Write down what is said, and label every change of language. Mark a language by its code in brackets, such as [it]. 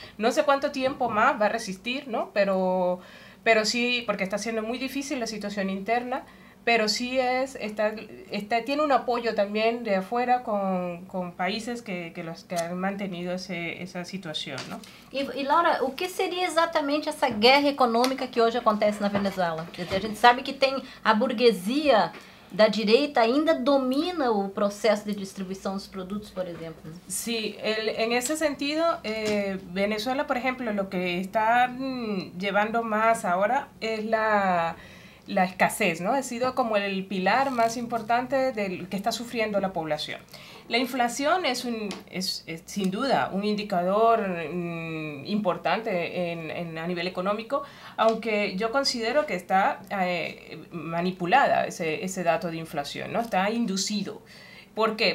[es] No sé cuánto tiempo más va a resistir, ¿no? Pero sí, porque está siendo muy difícil la situación interna. Pero sí tiene un apoyo también de afuera con países que han mantenido esa situación, ¿no? Y Laura, ¿o qué sería exactamente esa guerra económica que hoy acontece en Venezuela? [pt] A gente sabe que tem a burguesía da direita ainda domina o processo de distribuição dos produtos, por exemplo. Sim, em esse sentido, [es] Venezuela, por exemplo, lo que está llevando más ahora es la escasez, ¿no? Ha sido como el pilar más importante del que está sufriendo la población. La inflación es sin duda un indicador importante a nivel económico, aunque yo considero que está manipulada ese dato de inflación, ¿no? Está inducido. ¿Por qué?